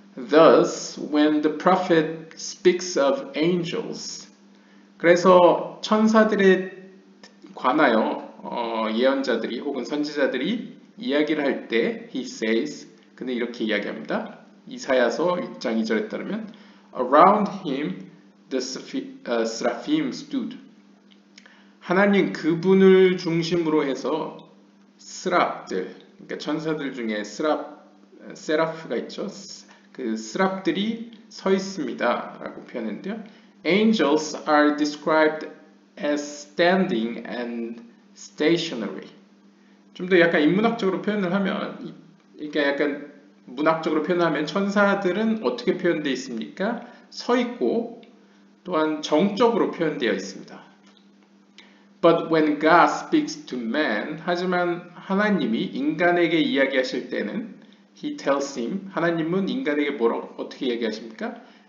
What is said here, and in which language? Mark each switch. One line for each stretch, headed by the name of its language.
English: Thus, when the prophet speaks of angels,
Korean: 그래서 천사들에 관하여 예언자들이 혹은 선지자들이 이야기를 할 때
English: he says,
Korean: 그는 이렇게 이야기합니다. 이사야서 6장 2절에 따르면
English: around him the seraphim stood.
Korean: 하나님 그분을 중심으로 해서 스랍들, 그러니까 천사들 중에 세라프가 있죠. 그 스랍들이 서 있습니다. 라고 표현했는데요.
English: Angels are described as standing and stationary.
Korean: 좀 더 약간 인문학적으로 표현을 하면, 그러니까 약간 문학적으로 표현하면 천사들은 어떻게 표현되어 있습니까? 서 있고, 또한 정적으로 표현되어 있습니다.
English: But when God speaks to man,
Korean: 하지만 하나님이 인간에게 이야기하실 때는
English: He tells him,
Korean: 하나님은 인간에게 뭐라고 어떻게 이야기하십니까?